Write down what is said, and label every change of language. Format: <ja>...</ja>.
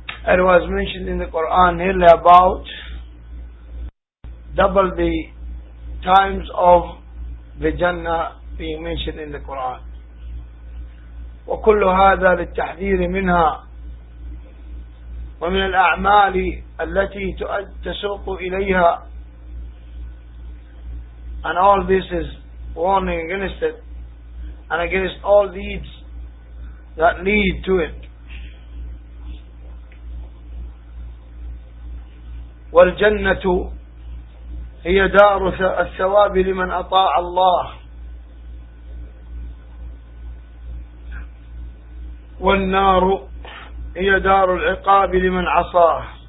<en>It was mentioned in the Quran here about double the times of the Jannah being mentioned in the Quran.</en> <ar>وكل هذا للتحذير منها ومن الأعمال التي تسوق إليها.</ar> <en>And all this is warning against it and against all deeds that lead to it.</en> <ar>والجنة هي دار الثواب لمن أطاع الله. والنار هي دار العقاب لمن عصاه.</ar>